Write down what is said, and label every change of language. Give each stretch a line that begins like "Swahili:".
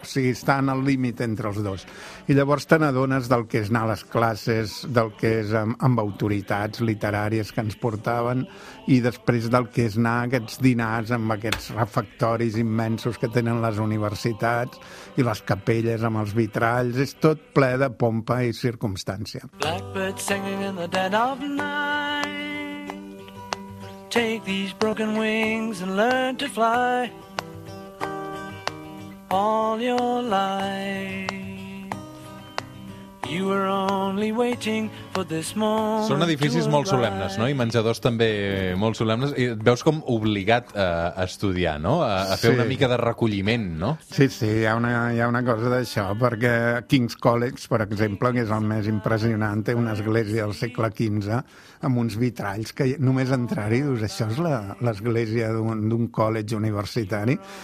Catalan: O sigui, està en el límit entre els dos. I llavors te n'adones del que és anar a les classes, del que és amb autoritats literàries que ens portaven, i després del que és anar a aquests dinars amb aquests refectoris immensos que tenen les universitats i les capelles amb els vitralls. És tot ple de pompa i circumstància.
English: Blackbird singing in the dead of night. Take these broken wings and learn to fly all your life. You were only waiting for this moment.
Catalan: Són edificis molt solemnes, no? I menjadors també molt solemnes. I et veus com obligat a estudiar, no? A fer una mica de recolliment, no? Sí, sí, hi ha una cosa d'això, perquè King's College, per exemple, que és el més impressionant, té una església del segle XV, amb uns vitralls que només entrar-hi dius, això és l'església d'un col·legi universitari.